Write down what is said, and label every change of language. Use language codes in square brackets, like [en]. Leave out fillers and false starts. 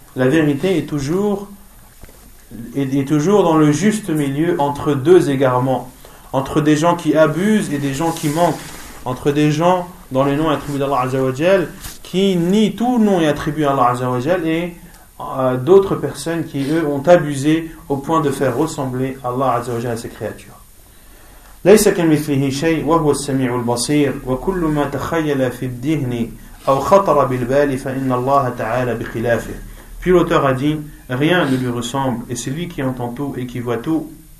[fr] La vérité est toujours dans le juste milieu entre deux égarements, entre des gens qui abusent et des gens qui manquent. entre des gens dans les noms et attributs d'Allah Azzawajal qui nient tout nom et attribut d'Allah Azzawajal et d'autres personnes qui, eux, ont abusé au point de faire ressembler Allah Azzawajal à ses créatures. [ar] ليس كمثله شيء وهو السميع البصير وكل ما تخيل في الذهن أو خطر بالبال فإن الله تعالى بخلافه. [fr] Puis l'auteur a dit, rien ne lui ressemble et c'est lui qui entend tout et qui voit tout.